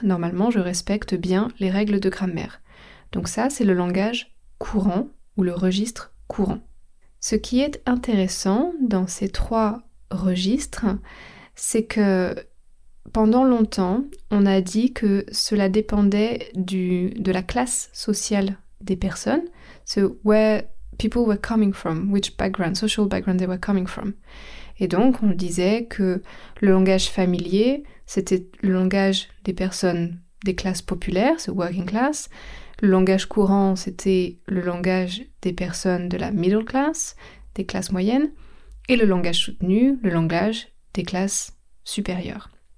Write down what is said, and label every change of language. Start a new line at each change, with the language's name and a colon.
French: Normalement, je respecte bien les règles de grammaire. Donc ça, c'est le langage courant ou le registre courant. Ce qui est intéressant dans ces trois registres, c'est que pendant longtemps, on a dit que cela dépendait de la classe sociale des personnes.
English: So where people were coming from, which background, social background they were coming from.
French: Et donc, on disait que le langage familier, c'était le langage des personnes des classes populaires,
English: the working class.
French: Le langage courant, c'était le langage des personnes de la middle class, des classes moyennes. Et le langage soutenu, le langage des classes supérieures.